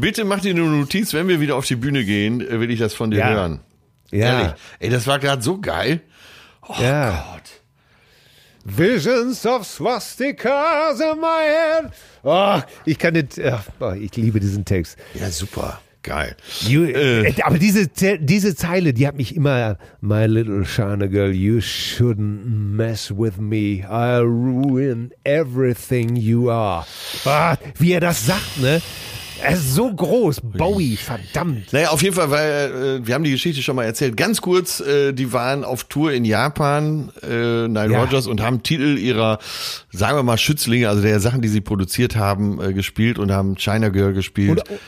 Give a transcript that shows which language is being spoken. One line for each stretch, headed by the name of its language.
German: Bitte mach dir eine Notiz, wenn wir wieder auf die Bühne gehen, will ich das von dir hören. Ja. Ehrlich. Ey, das war gerade so geil. Oh Gott.
English: Visions of swastikas in my head.
German: Ich liebe diesen Text. Ja, super. Geil. Aber diese Zeile, die hat mich immer,
English: my little China girl, you shouldn't mess with me. I'll ruin everything you are.
German: Ah, wie er das sagt, ne? Er ist so groß, Bowie, verdammt. Naja, auf jeden Fall, weil wir haben die Geschichte schon mal erzählt. Ganz kurz, die waren auf Tour in Japan, Nile Rodgers, und haben Titel ihrer, sagen wir mal, Schützlinge, also der Sachen, die sie produziert haben, gespielt und haben China Girl gespielt.